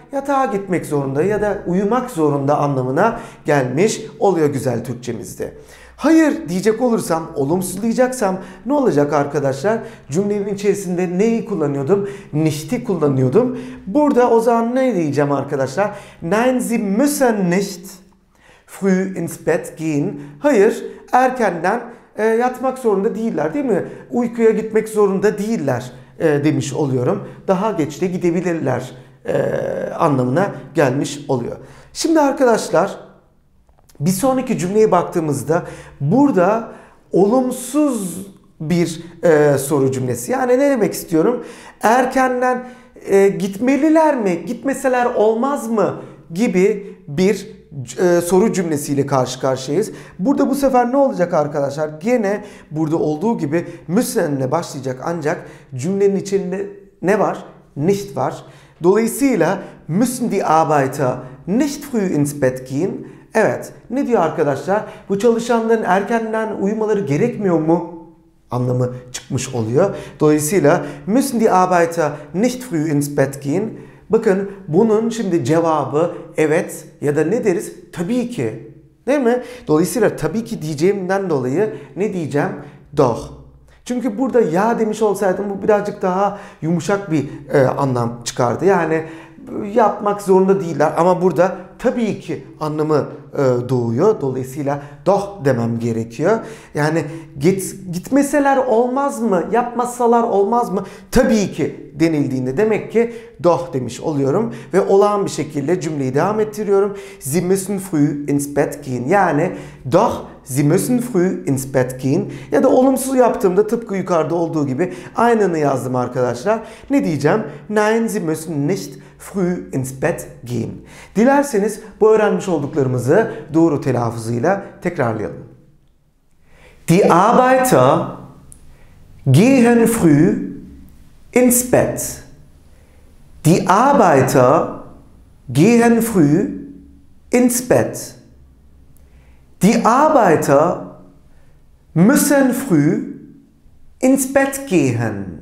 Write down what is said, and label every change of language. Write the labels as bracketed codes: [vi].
[tr] Yatağa gitmek zorunda ya da uyumak zorunda anlamına gelmiş oluyor güzel Türkçemizde. Hayır diyecek olursam, olumsuzlayacaksam ne olacak arkadaşlar? Cümlenin içerisinde neyi kullanıyordum? Nicht'i kullanıyordum. Burada o zaman ne diyeceğim arkadaşlar? [de] Nein, sie müssen nicht früh ins Bett gehen. [tr] Hayır, erkenden yatmak zorunda değiller, değil mi? Uykuya gitmek zorunda değiller demiş oluyorum. Daha geç de gidebilirler anlamına gelmiş oluyor. Şimdi arkadaşlar bir sonraki cümleye baktığımızda burada olumsuz bir soru cümlesi. Yani ne demek istiyorum? Erkenden gitmeliler mi? Gitmeseler olmaz mı? Gibi bir soru cümlesiyle karşı karşıyayız. Burada bu sefer ne olacak arkadaşlar? Gene burada olduğu gibi müssen ile başlayacak, ancak cümlenin içinde ne var? Nicht var. Dolayısıyla [de] müssen die Arbeiter nicht früh ins Bett gehen? [tr] Evet. Ne diyor arkadaşlar? Bu çalışanların erkenden uyumaları gerekmiyor mu anlamı çıkmış oluyor. Dolayısıyla [de] müssen die Arbeiter nicht früh ins Bett gehen? [tr] Bakın bunun şimdi cevabı evet ya da ne deriz? Tabii ki. Değil mi? Dolayısıyla tabii ki diyeceğimden dolayı ne diyeceğim? [de] Doch. [tr] Çünkü burada ya demiş olsaydım bu birazcık daha yumuşak bir anlam çıkardı. Yani yapmak zorunda değiller ama burada tabii ki anlamı doğuyor. Dolayısıyla doch demem gerekiyor. Yani gitmeseler olmaz mı? Yapmasalar olmaz mı? Tabii ki denildiğinde demek ki doch demiş oluyorum. Ve olağan bir şekilde cümleyi devam ettiriyorum. [de] Sie müssen früh ins Bett gehen. [tr] Yani [de] doch sie müssen früh ins Bett gehen. [tr] Ya da olumsuz yaptığımda tıpkı yukarıda olduğu gibi aynını yazdım arkadaşlar. Ne diyeceğim? [de] Nein, sie müssen nicht früh ins Bett gehen. [tr] Dilerseniz bu öğrenmiş olduklarımızı doğru telaffuzuyla tekrarlayalım. [de] Die Arbeiter gehen früh ins Bett. Die Arbeiter gehen früh ins Bett. Die Arbeiter müssen früh ins Bett gehen.